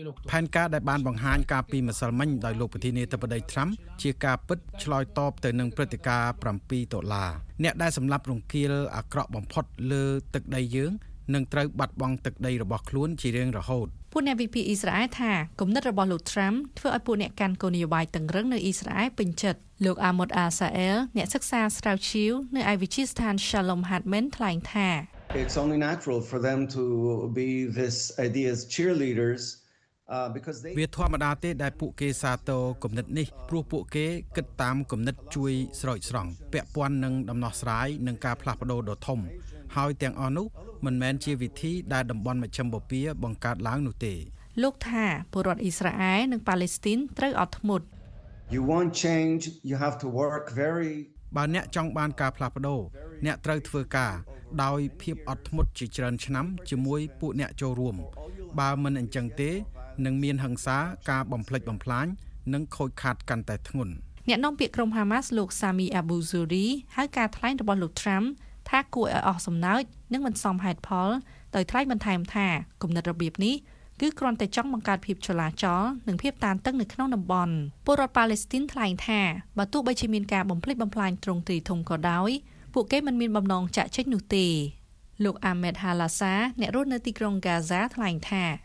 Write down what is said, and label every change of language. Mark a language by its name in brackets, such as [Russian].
[Khmer] ផែនការដែលបានបង្ហាញការពីម្សិលមិញដោយលោកប្រធានាធិបតីត្រាំជាការពិតឆ្លើយតបទៅនឹងព្រឹត្តិការណ៍7តុល្លារអ្នកដែលសម្លាប់រង្គាលអាក្រក់បំផុតលើទឹកដីយើងនឹងត្រូវបាត់បង់ទឹកដីរបស់ខ្លួនជារៀងរហូត ពួកអ្នកវិភាគអ៊ីស្រាអែលថាគំនិតរបស់លោកត្រាំធ្វើឲ្យពួកអ្នកកាន់គោលនយោបាយតឹងរឹងនៅអ៊ីស្រាអែលពេញចិត្តលោកអាម៉ុតអាសាអែលអ្នកសិក្សាស្រាវជ្រាវនៅឯវិទ្យាស្ថាន Shalom Hartman ថ្លែងថា [English] It's only natural for them to be this idea's cheerleaders because they [Khmer] វាធម្មតាទេដែលពួកគេសាទរគំនិតនេះព្រោះពួកគេគិតតាមគំនិតជួយស្រោចស្រង់ពាក់ព័ន្ធនឹងដំណោះស្រាយនឹងការផ្លាស់ប្ដូរដ៏ធំហើយទាំងអស់នោះមិនមែនជាវិធីដែលតំបន់មជ្ឈមបពាបង្កើតឡើងនោះទេ លោកថាពលរដ្ឋអ៊ីស្រាអែលនិងប៉ាឡេស្ទីនត្រូវអត់ធ្មត់ [English] You want change you have to work very [Khmer] បើអ្នកចង់បានការផ្លាស់ប្ដូរអ្នកត្រូវធ្វើការដោយភាពអត់ធ្មត់ជាច្រើនឆ្នាំជាមួយពួកអ្នកចូលរួមបើមិនអញ្ចឹងទេនឹងមានហិង្សាការបំផ្លិចបំផ្លាញនិងខូចខាតកាន់តែធ្ងន់អ្នកនាំពាក្យក្រុមហាម៉ាស់លោក Sami Abu Zuhri ហៅការថ្លែងរបស់លោក Trumpថាគួរឲ្យអស់សំណើចនិងមិនសមហេតុផលដោយថ្លែងបន្ថែមថាគំនិតរបៀបនេះគឺគ្រាន់តែចង់បង្កើតភាពចលាចលនិងភាពតានតឹងនៅក្នុងតំបន់ពលរដ្ឋប៉ាឡេស្ទីនថ្លែងថាបើទោះបីជាមានការបំផ្លិចបំផ្លាញទ្រង់ទ្រាយធំក៏ដោយពួកគេមិនមានបំណងចាក់ចេញនោះទេលោកអាមេតហាឡាសាអ្នករស់នៅទីក្រុងហ្គាហ្សាថ្លែងថា